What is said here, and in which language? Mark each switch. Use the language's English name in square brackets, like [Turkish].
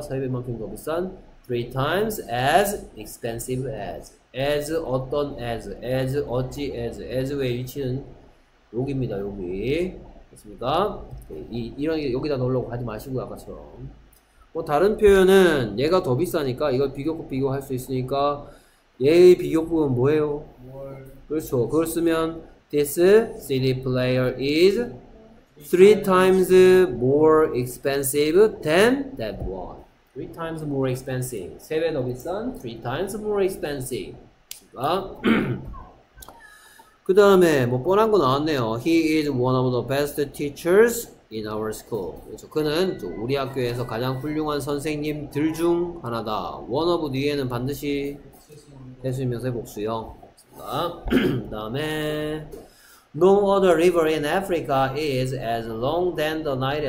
[Korean] 3배만큼 더 비싼 [English] 3 times as expensive as [Korean] 어떤 as 어찌 as의 위치는 여기입니다. 여기. 됐습니다. 이런 게 여기다 넣으려고 하지 마시고 아까처럼. 뭐 다른 표현은 얘가 더 비싸니까 이걸 비교급 비교할 수 있으니까 얘의 비교급은 뭐예요? 그렇죠. 그걸 쓰면 [English] This CD player is three times more expensive than that one. Three times more expensive. [Korean] 세배더 비싼. [English] Three times more expensive. [Korean] 그 다음에 뭐 뻔한 거 나왔네요. [English] He is one of the best teachers in our school. [Korean] 그렇죠. 그는 우리 학교에서 가장 훌륭한 선생님들 중 하나다. One of 뒤에는 반드시 해수면서 복수형. 다음에 [English] No other river in Africa is as long than the Nile.